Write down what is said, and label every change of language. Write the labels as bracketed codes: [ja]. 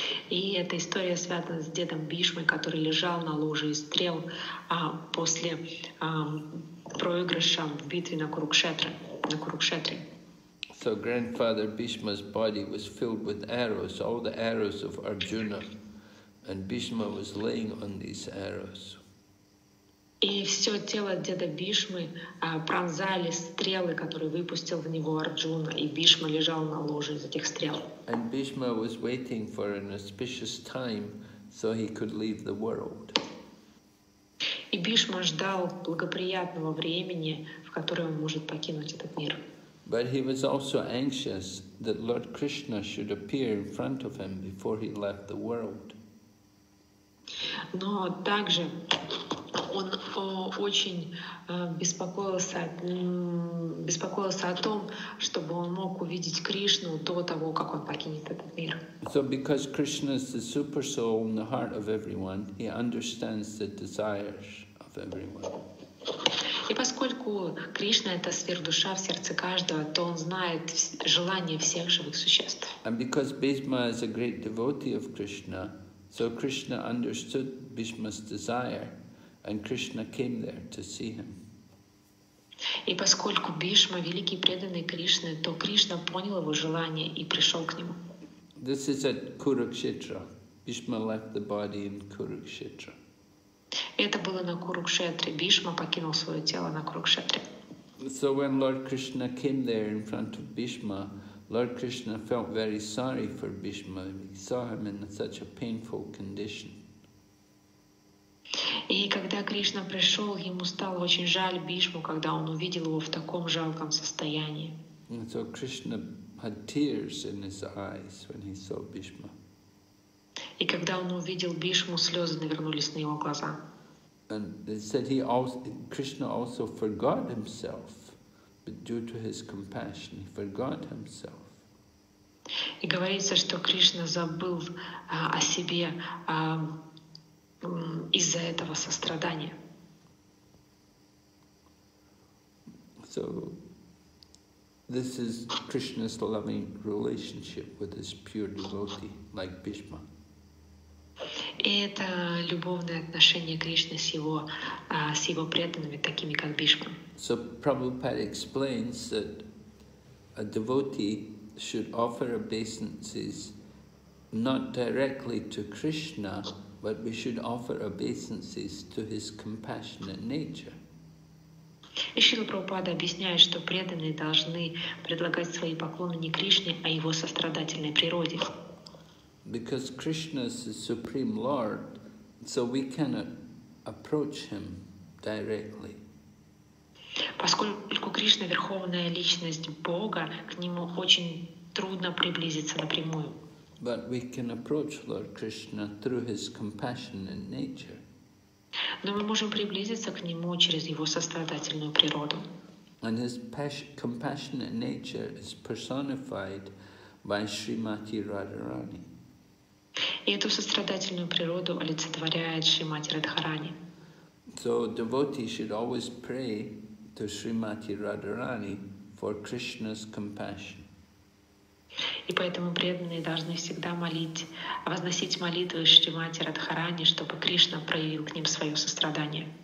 [ru] И эта история связана с дедом Бишмой, который лежал на луже из стрел после проигрыша в битве на Курукшетре. [en] So grandfather Bhishma's body was filled with arrows, all the arrows of Arjuna, and Bhishma was laying on these arrows. [ru] И все тело деда Бишмы пронзали стрелы, которые выпустил в него Арджуна, и Бишма лежал на ложе из этих стрел. [en] And Bhishma was waiting for an auspicious time so he could leave the world. [ru] И Бишма ждал благоприятного времени, в которое он может покинуть этот мир. [en] But he was also anxious that Lord Krishna should appear in front of him before he left the world. [ru] Но также он очень беспокоился о том, чтобы он мог увидеть Кришну до того, как он покинет этот мир. [en] So because Krishna is the super soul in the heart of everyone, he understands the desires of everyone. [ru] И поскольку Кришна — это сверхдуша в сердце каждого, то он знает желания всех живых существ. [en] And because Bhishma is a great devotee of Krishna, so Krishna understood Bhishma's desire, and Krishna came there to see him. [ru] И поскольку Бишма великий преданный Кришны, то Кришна понял его желание и пришел к нему. [en] This is at Kurukshetra. Bhishma left the body in Kurukshetra. [ru] Это было на Курукшетре. Бишма покинул свое тело на Курукшетре. [en] So when Lord Krishna came there in front of Bhishma, Lord Krishna felt very sorry for Bhishma. He saw him in such a painful condition. [ru] И когда Кришна пришел, ему стало очень жаль Бишму, когда он увидел его в таком жалком состоянии. [en] And so Krishna had tears in his eyes when he saw Bhishma. [ru] И когда он увидел Бишму, слезы навернулись на его глаза. [en] And it said he also, Krishna also forgot himself, but due to his compassion, he forgot himself. [ru] И говорится, что Кришна забыл о себе из-за этого сострадания. [en] So, this is Krishna's loving relationship with his pure devotee, like Bhishma. [ru] И это любовное отношение Кришны с его преданными, такими как Бишма. [en] So, Prabhupada explains that a devotee should offer obeisances not directly to Krishna, but we should offer obeisances to his compassionate nature. [ru] И Шрила Прабхупада объясняет, что преданные должны предлагать свои поклоны не Кришне, а его сострадательной природе. [en] Because Krishna is the Supreme Lord, so we cannot approach him directly. [ru] Поскольку Кришна — верховная личность Бога, к нему очень трудно приблизиться напрямую. [en] But we can approach Lord Krishna through his compassionate nature. [ru] Но мы можем приблизиться к нему через его сострадательную природу. [en] And his compassionate nature is personified by Srimati Radharani. [ru] И эту сострадательную природу олицетворяет Шримати Радхарани. [en] So devotee should always pray to Srimati Radharani for Krishna's compassion. [ru] И поэтому преданные должны всегда молить, возносить молитвы Шримати Радхарани, чтобы Кришна проявил к ним свое сострадание.